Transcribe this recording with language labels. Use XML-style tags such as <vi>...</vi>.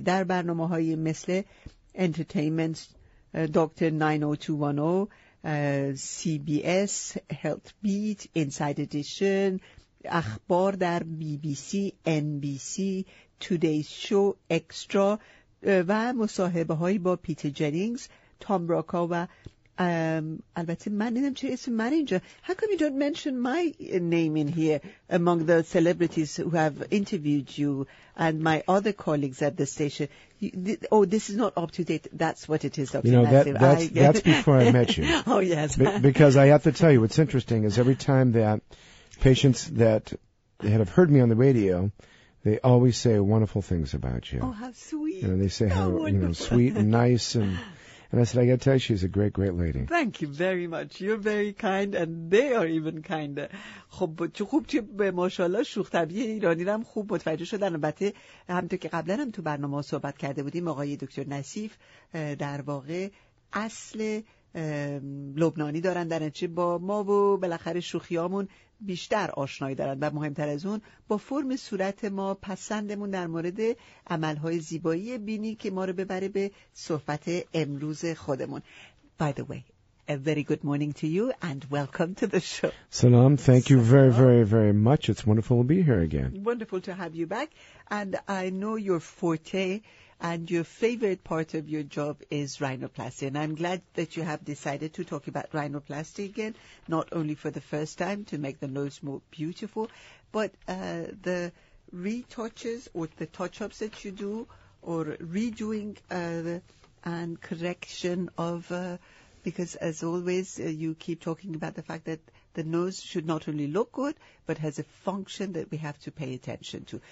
<fa>در برنامه‌های مثل Entertainment Doctor 90210, CBS Health Beat Inside Edition، اخبار در BBC، NBC، Today's Show، Extra و مصاحبه‌های با پیتر جنینگز، تام براکا و البته من نمیدونم چه اسم من اینجا.</fa> <en>How come you don't mention my name in here among the celebrities who have interviewed you and my other colleagues at the station? This is not up to date. That's what it is. You know, that's before I met you. Oh yes. Because I have to tell you, what's interesting is every time that patients that have heard me on the radio, they always say wonderful things about you. Oh, how sweet. You know, they say how wonderful. You know, sweet and nice. And I said, I got to tell you, she's a great, great lady. Thank you very much. You're very kind and they are even kinder.</en> <fa>خب چه خوب چه به ماشاءالله شوخ طبعی ایرانی هم خوب متوجه شدن. البته همونطور که قبلا هم تو برنامه صحبت کرده بودیم، آقای دکتر نصیف در واقع اصل لبنانی دارن، در نتیجه با ما و بالاخره شوخیامون بیشتر آشنایی دارن و مهمتر از اون با فرم صورت ما، پسندمون در مورد عملهای زیبایی بینی که ما رو ببره به صحبت امروز خودمون.</fa> <en>By the way, a very good morning to you and welcome to the show. Salam, thank you very, very, very much. It's wonderful to be here again. Wonderful to have you back. And I know your forte and your favorite part of your job is rhinoplasty. And I'm glad that you have decided to talk about rhinoplasty again, not only for the first time to make the nose more beautiful, but the retouches or the touch-ups that you do or redoing and correction of, because as always, you keep talking about the fact that the nose should not only look good, but has a function that we have to pay attention to.</en>